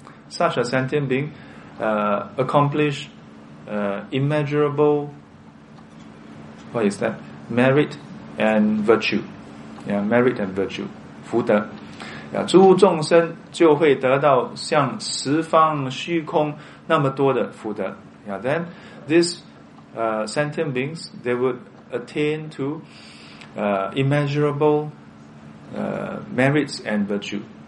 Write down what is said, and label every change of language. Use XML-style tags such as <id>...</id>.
<en>Such a sentient being accomplish immeasurable, what is that? Merit and virtue. Yeah, merit and virtue. 福德.</en> <zh>诸众生就会得到像十方虚空那么多的福德.</zh> <en>Then these sentient beings, they would attain to immeasurable merits and virtue.</en>